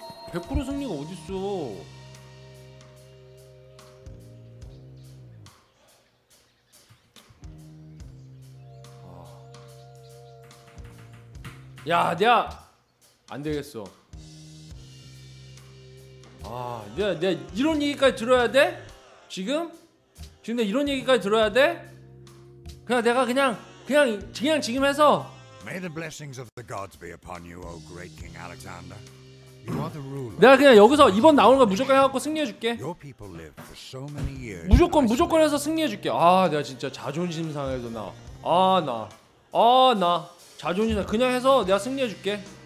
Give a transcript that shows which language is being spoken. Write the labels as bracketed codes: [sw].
[ko] 100% 승리가 어딨어. 아. 야, 야. 안 되겠어. 아, 내가 이런 얘기까지 들어야 돼? 지금 내가 이런 얘기까지 들어야 돼? 그냥 지금 해서. [en] May the blessings of the gods be upon you, O great King Alexander. You are the ruler. [ko] 내가 그냥 여기서 이번 나오는 거 무조건 해갖고 승리해 줄게. [en] Your people live for so many years. [ko] 무조건 해서 승리해 줄게. 아, 내가 진짜 자존심 상해서 나 자존심 상. 그냥 해서 내가 승리해 줄게.